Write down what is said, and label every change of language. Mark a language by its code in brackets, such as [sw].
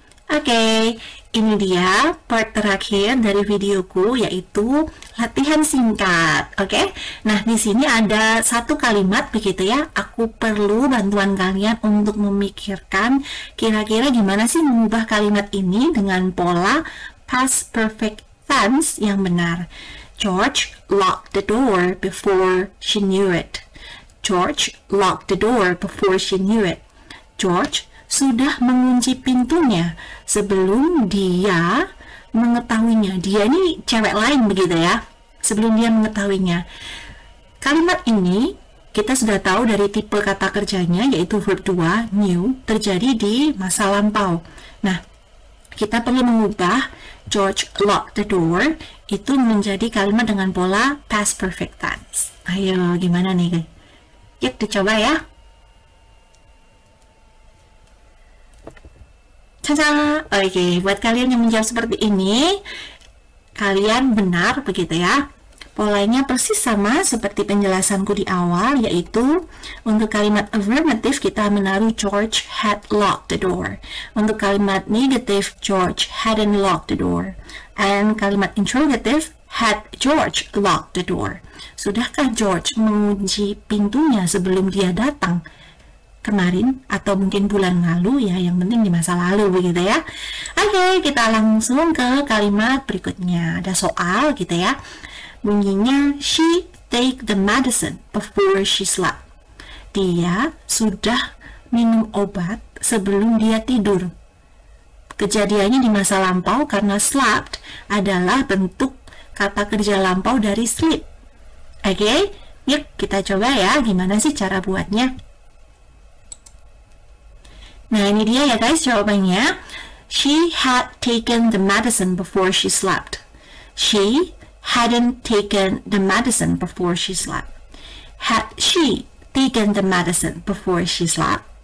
[id] Oke, ini dia part terakhir dari videoku, yaitu latihan singkat. Oke? Nah, di sini ada satu kalimat begitu ya. Aku perlu bantuan kalian untuk memikirkan kira-kira gimana sih mengubah kalimat ini dengan pola past perfect tense yang benar. [en] George locked the door before she knew it. George locked the door before she knew it. [id] George sudah mengunci pintunya sebelum dia mengetahuinya. Dia ini cewek lain begitu ya, sebelum dia mengetahuinya. Kalimat ini kita sudah tahu dari tipe kata kerjanya, yaitu verb 2, new, terjadi di masa lampau. Nah, kita perlu mengubah [en] George locked the door [id] itu menjadi kalimat dengan pola past perfect tense. Ayo, gimana nih? Yuk, dicoba ya. Oke, buat kalian yang menjawab seperti ini, kalian benar begitu ya. Polanya persis sama seperti penjelasanku di awal, yaitu untuk kalimat affirmative kita menaruh [en] George had locked the door. [id] Untuk kalimat negative, [en] George hadn't locked the door. And kalimat interrogative, had George locked the door. [id] Sudahkah George mengunci pintunya sebelum dia datang? Kemarin atau mungkin bulan lalu ya, yang penting di masa lalu begitu ya. Oke, kita langsung ke kalimat berikutnya. Ada soal gitu ya. [en] Bunyinya she take the medicine before she slept. [id] Dia sudah minum obat sebelum dia tidur. Kejadiannya di masa lampau karena slept adalah bentuk kata kerja lampau dari sleep. Oke, yuk kita coba ya gimana sih cara buatnya. Nah, ini dia ya guys jawabannya. [en] She had taken the medicine before she slept. She hadn't taken the medicine before she slept. Had she taken the medicine before she slept?